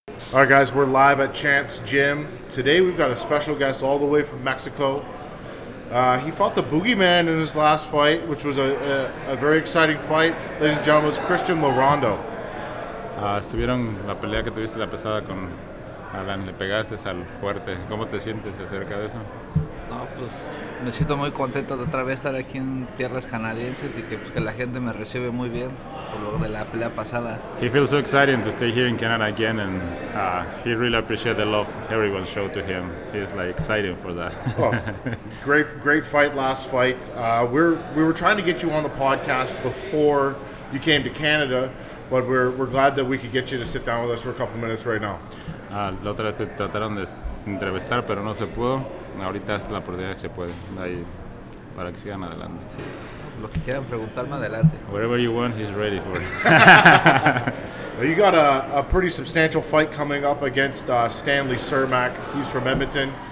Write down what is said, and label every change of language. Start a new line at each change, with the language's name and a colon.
English: All right, guys, we're live at Champs Gym. Today, we've got a special guest all the way from Mexico. He fought the Boogeyman in his last fight, which was a very exciting fight. Ladies and gentlemen, it's Christian Larondo.
Spanish: Estuvieron la pelea que tuviste la pesada con Alan. Le pegaste al fuerte. ¿Cómo te sientes acerca de eso? No, pues me siento muy contento de otra vez estar aquí en tierras canadienses y que, pues, que la gente me recibe muy bien por lo de la pelea pasada.
English: He feels so excited to stay here in Canada again, and he really appreciates the love everyone showed to him. He's like excited for that. Oh, great fight, last fight. We were trying to get you on the podcast before you came to Canada, but we're glad that we could get you to sit down with us for a couple minutes right now.
Spanish: La otra vez te trataron de entrevistar, pero no se pudo. Ahorita es la oportunidad que se puede, ahí, para que sigan adelante. Sí. Lo que quieran preguntarme adelante.
English: Whatever you want, he's ready for it. Well, you got a pretty substantial fight coming up against Stanley Cermak. He's from Edmonton.